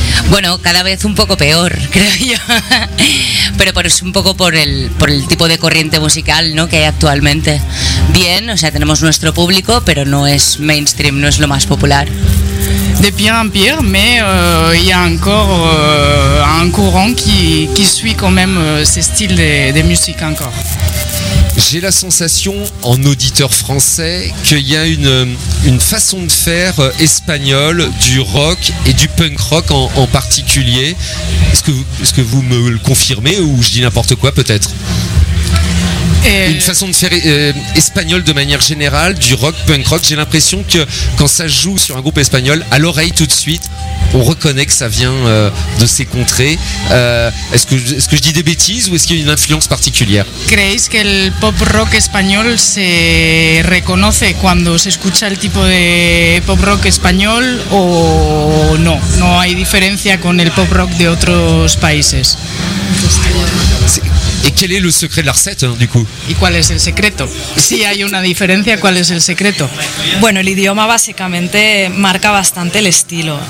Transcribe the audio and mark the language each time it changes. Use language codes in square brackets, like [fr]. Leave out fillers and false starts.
[es] Bueno, cada vez un poco peor, creo yo. Pero es un poco por el tipo de corriente musical, ¿no?, que hay actualmente. Bien, o sea, tenemos nuestro público, pero no es mainstream, no es lo más popular. De pie en pie, [fr] mais il y a encore un courant qui suit quand même ce style de musique encore. J'ai la sensation, en auditeur français, qu'il y a une façon de faire espagnole du rock et du punk rock en particulier. Est-ce que vous me le confirmez ou je dis n'importe quoi peut-être? Une façon de faire espagnole de manière générale, du rock, punk rock. J'ai l'impression que quand ça joue sur un groupe espagnol, à l'oreille tout de suite, on reconnaît que ça vient de ces contrées. Est-ce que je dis des bêtises ou est-ce qu'il y a une influence particulière? [es] ¿Creéis que el pop rock español se reconoce cuando se escucha el tipo de pop rock español o no? No hay diferencia con el pop rock de otros países. [fr] Et quel est le secret de la recette, hein, du coup? Et quel est le secret? Si il y a une différence, quel est le secret? [es] Bueno, el idioma básicamente marca bastante el estilo.